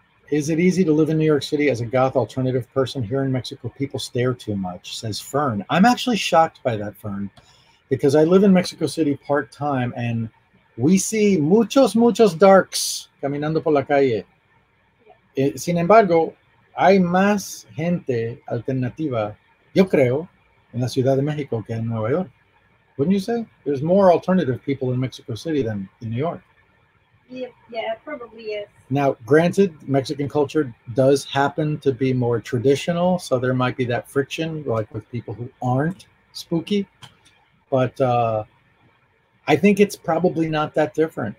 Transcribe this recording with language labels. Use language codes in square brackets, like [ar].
[en] Is it easy to live in New York City as a goth alternative person? Here in Mexico, people stare too much, says Fern. I'm actually shocked by that, Fern, because I live in Mexico City part-time, and we see [es] muchos, muchos darks caminando por la calle. Sin embargo, hay más gente alternativa, yo creo, en la Ciudad de México que en Nueva York. [en] Wouldn't you say? There's more alternative people in Mexico City than in New York. Yeah, probably. Now, granted, Mexican culture does happen to be more traditional, so there might be that friction, like with people who aren't spooky. But I think it's probably not that different.